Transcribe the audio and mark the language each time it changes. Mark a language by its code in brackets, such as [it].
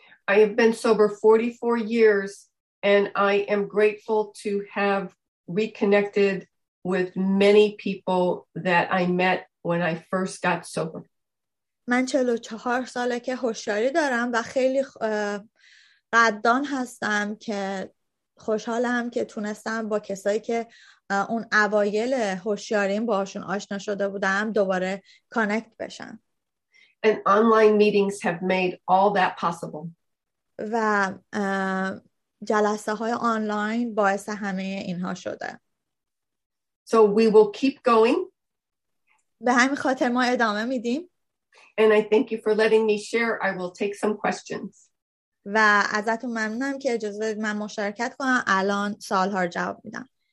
[en] I have been sober 44 years and I am grateful to have reconnected with many people that I met when I first got sober. [fa] من 44 ساله که هوشیاری دارم و خیلی قدردان هستم که خوشحالم که تونستم با کسایی که اون اوایل هوشیاریم باهاشون آشنا شده بودم دوباره کانکت بشم. [en] And online meetings have made all that possible. [fa] و جلسه های آنلاین باعث همه اینها شده. [en] So we will keep going. [fa] به همین خاطر ما ادامه میدیم. [en] And I thank you for letting me share. I will take some questions. [fa] و ازتون ممنونم که اجازه دادید من مشارکت کنم الان سوال ها رو جواب میدم.